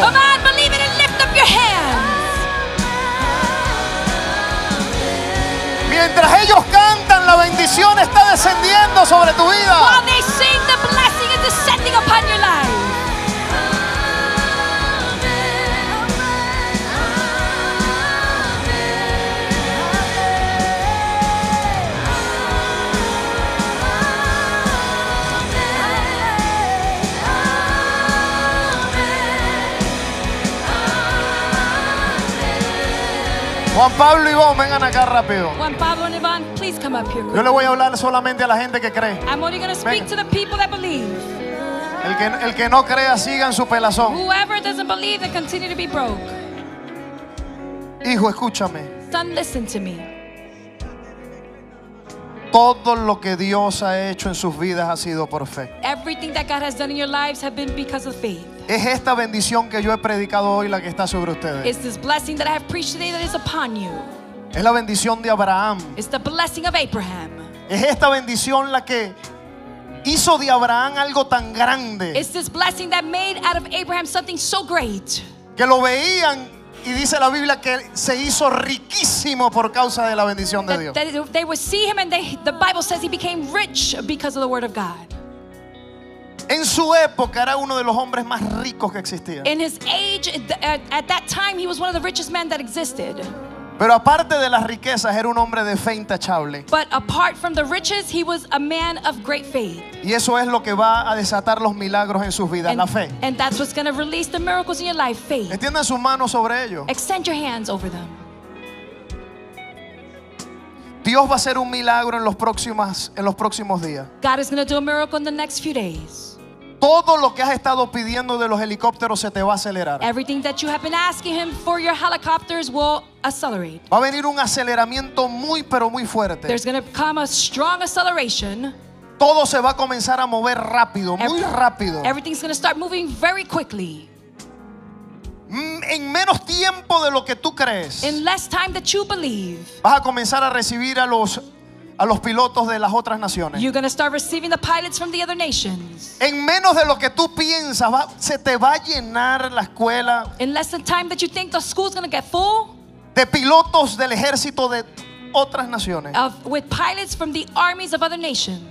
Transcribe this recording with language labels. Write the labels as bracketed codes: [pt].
[en] Come on, believe it and lift up your hands. [es] Mientras ellos cantan, la bendición está descendiendo sobre tu vida. [en] While they sing, the blessing is descending upon your life. [es] Wow. Juan Pablo y Iván, vengan acá rápido. [en] Juan Pablo y Iván, please come up here. [es] Yo le voy a hablar solamente a la gente que cree. [en] I'm only going to speak to the people that believe. [es] El que no crea, sigan su pelazón. [en] Whoever doesn't believe, they continue to be broke. [es] Hijo, escúchame. [en] Son, listen to me. [es] Todo lo que Dios ha hecho en sus vidas ha sido por fe. [en] Everything that God has done in your lives have been because of faith. [es] Es esta bendición que yo he predicado hoy la que está sobre ustedes. [en] It's this blessing that I have preached today that is upon you. [es] Es la bendición de Abraham. [en] It's the blessing of Abraham. [es] Es esta bendición la que hizo de Abraham algo tan grande. [en] It's this blessing that made out of Abraham something so great. [es] Que lo veían y dice la Biblia que se hizo riquísimo por causa de la bendición de Dios. [en] They would see him and the Bible says he became rich because of the word of God. [es] En su época era uno de los hombres más ricos que existía. [en] In his age, at that time, he was one of the richest men that existed. [es] Pero aparte de las riquezas, era un hombre de fe intachable. [en] But apart from the riches, he was a man of great faith. [es] Y eso es lo que va a desatar los milagros en sus vidas, la fe. [en] And that's what's going to release the miracles in your life, faith. [es] Extienda sus manos sobre ellos. [en] Extend your hands over them. [es] Dios va a hacer un milagro en los próximos días. [en] God is going to do a miracle in the next few days. [es] Todo lo que has estado pidiendo de los helicópteros se te va a acelerar. [en] Everything that you have been asking him for your helicopters will accelerate. [es] Va a venir un aceleramiento muy pero muy fuerte. [en] There's going to come a strong acceleration. [es] Todo se va a comenzar a mover rápido, muy rápido. [en] Everything's going to start moving very quickly. [es] En menos tiempo de lo que tú crees. [en] In less time that you believe. [es] Vas a comenzar a recibir a los pilotos de las otras naciones. [en] You're going to start receiving the pilots from the other nations. [es] En menos de lo que tú piensas, se te va a llenar la escuela. [en] In less than time that you think the school's going to get full. [es] De pilotos del ejército de otras naciones. [en] With pilots from the armies of other nations.